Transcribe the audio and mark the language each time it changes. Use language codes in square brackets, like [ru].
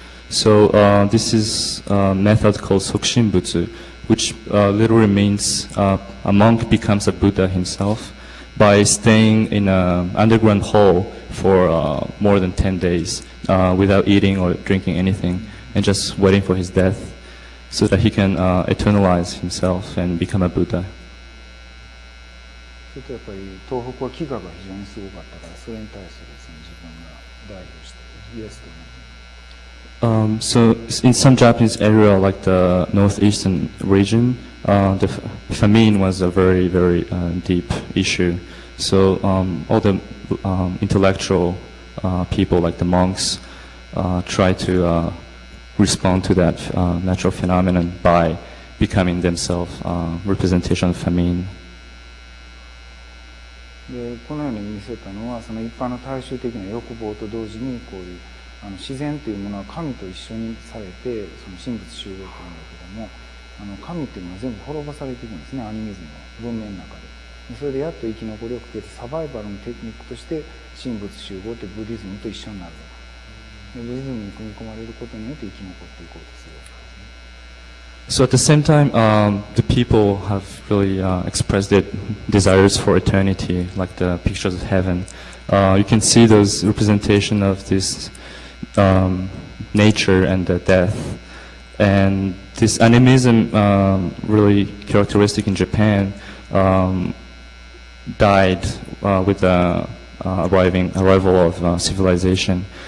[en] So this is a method called Sokshinbutsu, which literally means a monk becomes a Buddha himself by staying in an underground hole for more than 10 days without eating or drinking anything and just waiting for his death so that he can eternalize himself and become a Buddha. [ja] So, やっぱり東北は飢餓が非常にすごかったから、それに対するその自分が代表してイエスと。 [en] So in some Japanese area, like the northeastern region, the famine was a very, very deep issue. So all the intellectual people, like the monks, try to respond to that natural phenomenon by becoming themselves a representation of famine. [ja] で、このように見せたのは、その一般の大衆的な欲望と同時にこういう自然というものは神と一緒にされてその神仏修道というんだけども神というのは全部滅ぼされていくんですねアニミズムの文明の中 でそれでやっと生き残りをかけてサバイバルのテクニックとして神仏修道というブディズムと一緒になるでブディズムに組み込まれることによって生き残っていこうとするわけですね [en] So at the same time, the people have really expressed their desires for eternity like the pictures of heaven. You can see those representation of thisnature and the death. And this animism, really characteristic in Japan, died with the arrival of civilization.